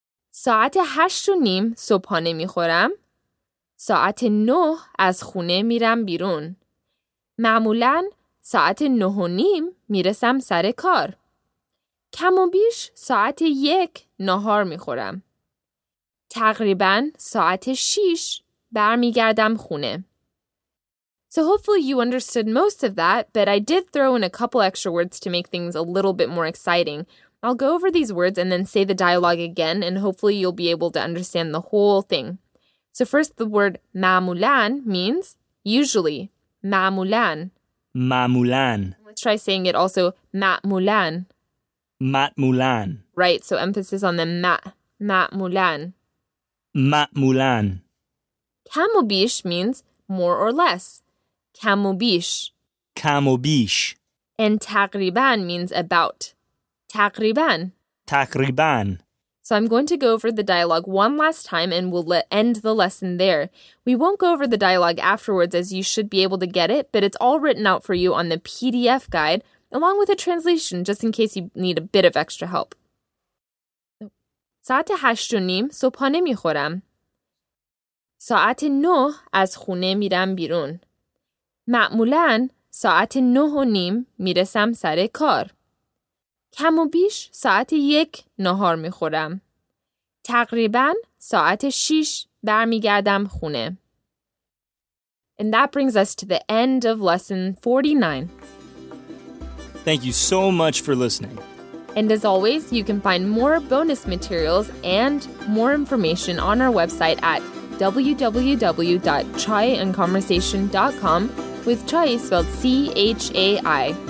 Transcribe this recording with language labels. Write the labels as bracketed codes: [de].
[fa] ساعت 8 و نیم صبحانه میخورم. ساعت 9 از خونه میرم بیرون. معمولاً ساعت 9 و نیم میرسم سر کار. کم و بیش ساعت 1 نهار میخورم. تقریباً ساعت 6 برمیگردم خونه. [en] So hopefully you understood most of that, but I did throw in a couple extra words to make things a little bit more exciting. I'll go over these words and then say the dialogue again, and hopefully you'll be able to understand the whole thing. So first, the word معمولاً means usually. معمولاً. [fa] معمولاً. [en] Let's try saying it also. معمولاً. [fa] معمولاً. [en] Right, so emphasis on the مَ. معمولاً. [fa] معمولاً. کم و بیش [en] means more or less. [fa] کم و بیش. کم و بیش. [en] And تقریباً means about. تقریباً. [fa] تقریباً. [en] So I'm going to go over the dialogue one last time and we'll end the lesson there. We won't go over the dialogue afterwards as you should be able to get it, but it's all written out for you on the PDF guide, along with a translation, just in case you need a bit of extra help. [fa] ساعت هشت و نیم صبحانه میخورم. ساعت نه از خونه میرم بیرون. معمولاً ساعت نه و نیم میرسم سر کار. کم و بیش ساعت 1 نهار میخورم. تقریبا ساعت 6 برمیگردم خونه. [en] And that brings us to the end of lesson 49. Thank you so much for listening. And as always, you can find more bonus materials and more information on our website at www.chaiandconversation.com with Chai spelled C-H-A-I.